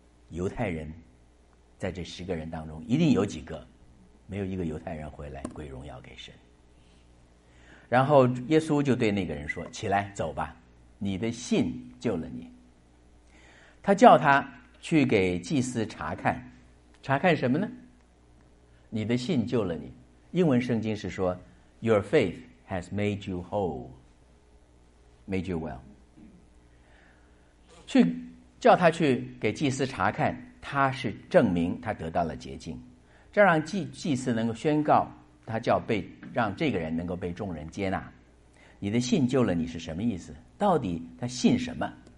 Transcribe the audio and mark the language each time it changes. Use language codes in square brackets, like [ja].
[zh] 犹太人在这十个人当中一定有几个没有一个犹太人回来归荣耀给神。然后耶稣就对那个人说，起来走吧，你的信救了你。他叫他去给祭司查看，查看什么呢？你的信救了你。英文圣经是说 [en] Your faith has made you whole, made you well. [zh] 去叫他去给祭司查看，他是证明他得到了洁净，这让祭司能够宣告他叫被让这个人能够被众人接纳。你的信救了你是什么意思？到底他信什么？